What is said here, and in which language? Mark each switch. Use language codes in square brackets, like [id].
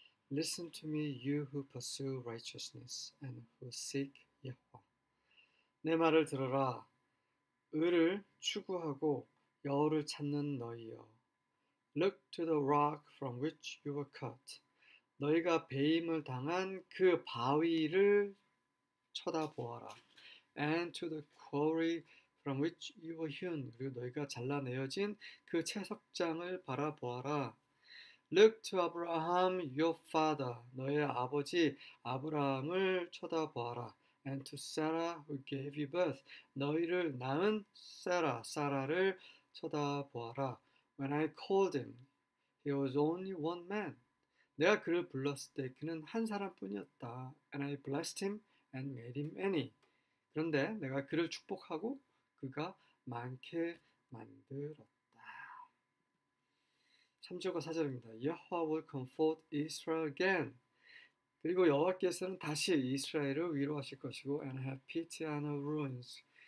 [en] Listen to me, you who pursue righteousness and who seek Yahweh. [ko] 내 말을 들어라. 의를 추구하고 여호와를 찾는 너희여. [en] Look to the rock from which you were cut. [ko] 너희가 베임을 당한 그 바위를 쳐다보아라. [en] And to the quarry from which you were hewn. [ko] 그리고 너희가 잘라내어진 그 채석장을 바라보아라. [en] Look to Abraham, your father. [ko] 너의 아버지 아브라함을 쳐다보아라. [en] And to Sarah, who gave you birth. [ko] 너희를 낳은 사라를 쳐다보아라. [en] When I called him, he was only one man. [ko] 내가 그를 불렀을 때 그는 한 사람뿐이었다. [en] And I blessed him and made him many. [ko] 그런데 내가 그를 축복하고 그가 많게 만들었다. 3절과 4절입니다. [en] Yahweh will comfort Israel again. [ko] 그리고 여호와께서는 다시 이스라엘을 위로하실 것이고 [en] And have pity on her ruins.